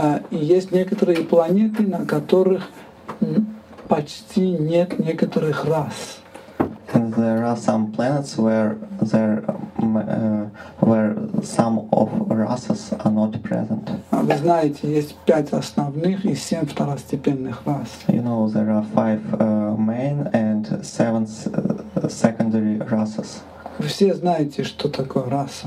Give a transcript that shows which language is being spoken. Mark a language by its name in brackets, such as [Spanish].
[Russian] Есть некоторые планеты, на которых почти нет некоторых рас. [English] And there are some planets where there where some of races are not present. [Russian] Вы знаете, есть 5 основных и 7 второстепенных рас. [English] You know, there are 5 main and 7 secondary races. [Russian] Вы все знаете, что такое раса.